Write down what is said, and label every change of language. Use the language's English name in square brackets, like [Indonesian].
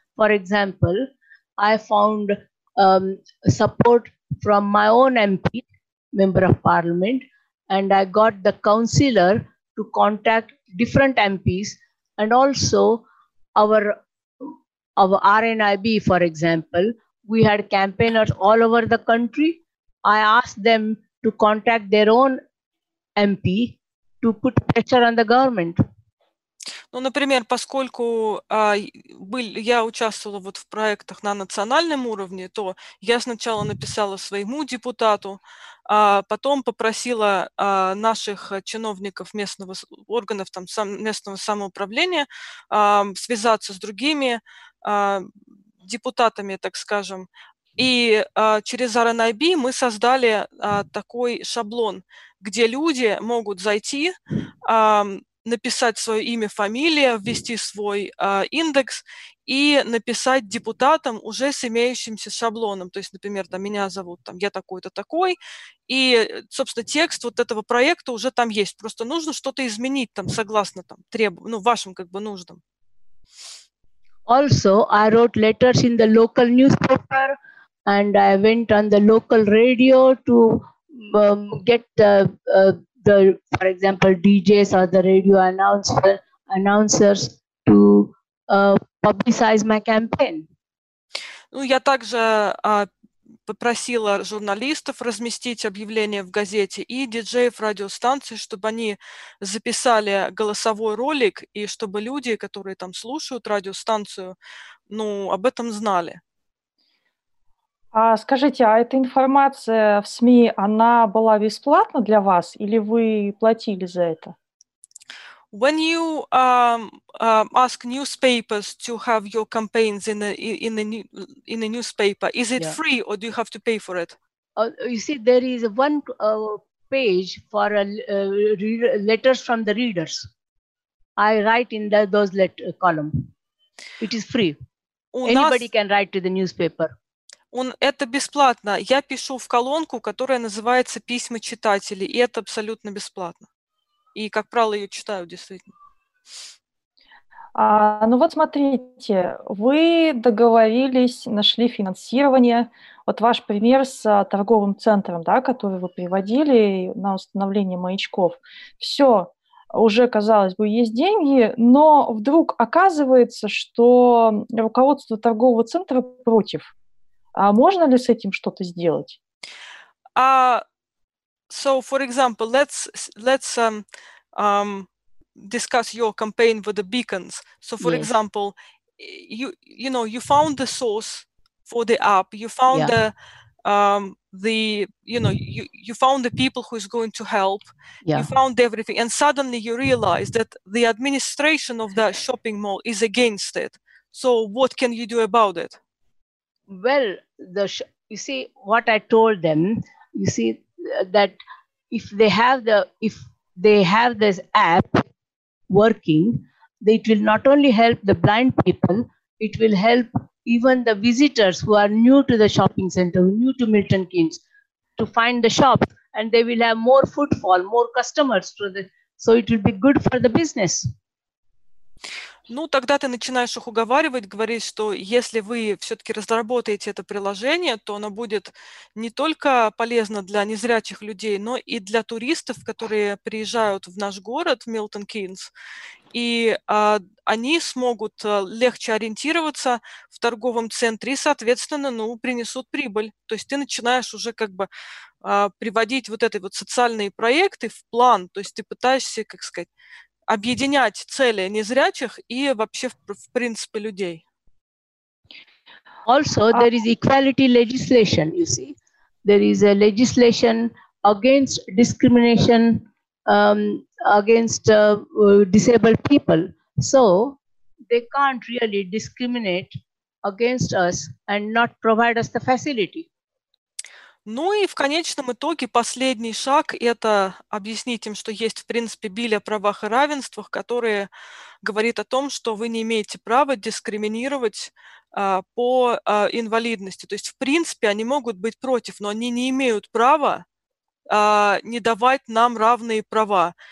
[English] For example, I found support from my own MP, member of parliament, and I got the councillor to contact different MPs, and also our RNIB, for example, we had campaigners all over the country. I asked them to contact their own MP to put pressure on the government. [Russian] Ну, например, поскольку я участвовала вот в проектах на национальном уровне, то я сначала написала своему депутату, потом попросила наших чиновников местного органов там местного самоуправления связаться с другими депутатами, так скажем. И через RNIB мы создали такой шаблон, где люди могут зайти, написать свое имя, фамилия, ввести свой индекс и написать депутатам уже с имеющимся шаблоном. То есть, например, там, меня зовут, там, я такой-то такой. И, собственно, текст вот этого проекта уже там есть. Просто нужно что-то изменить там, согласно там, вашим как бы, нуждам. [English] Also, I wrote letters in the local newspaper and I went on the local radio to get the, for example, DJs or the radio announcers to publicize my campaign. [Russian] Ну, я также попросила журналистов разместить объявление в газете и диджеев радиостанции, чтобы они записали голосовой ролик и чтобы люди, которые там слушают радиостанцию, ну, об этом знали. А скажите, а эта информация в СМИ, она была бесплатна для вас или вы платили за это? [English] When you ask newspapers to have your campaigns in the newspaper, is it free or do you have to pay for it? You see, there is one page for letters from the readers. I write in those letter column. It is free. Anybody can write to the newspaper. [Russian] Это бесплатно. Я пишу в колонку, которая называется «Письма читателей», и это абсолютно бесплатно. И, как правило, ее читаю, действительно. Ну вот смотрите, вы договорились, нашли финансирование. Вот ваш пример с торговым центром, да, который вы приводили на установление маячков. Все, уже, казалось бы, есть деньги, но вдруг оказывается, что руководство торгового центра против. А можно ли с этим что-то сделать? [English] So, for example, let's discuss your campaign with the Beacons. So, for example, you know, you found the source for the app, you found you found the people who is going to help, you found everything, and suddenly you realize that the administration of the shopping mall is against it. So, what can you do about it? Well, you see, what I told them, you see, that if they have this app working, it will not only help the blind people, it will help even the visitors who are new to the shopping center, new to Milton Keynes, to find the shop, and they will have more footfall, more customers, so it will be good for the business. [Russian] Ну, тогда ты начинаешь их уговаривать, говорить, что если вы все-таки разработаете это приложение, то оно будет не только полезно для незрячих людей, но и для туристов, которые приезжают в наш город, в Милтон Кинс, и они смогут легче ориентироваться в торговом центре и, соответственно, ну, принесут прибыль. То есть ты начинаешь уже как бы приводить вот эти вот социальные проекты в план, то есть ты пытаешься, как сказать, объединять цели незрячих и вообще в принципе людей. [English] Also, there is equality legislation. You see, there is a legislation against discrimination against disabled people. So they can't really discriminate against us and not provide us the facility. [Russian] Ну и в конечном итоге последний шаг – это объяснить им, что есть, в принципе, Билль о правах и равенствах, который говорит о том, что вы не имеете права дискриминировать по инвалидности. То есть, в принципе, они могут быть против, но они не имеют права не давать нам равные права.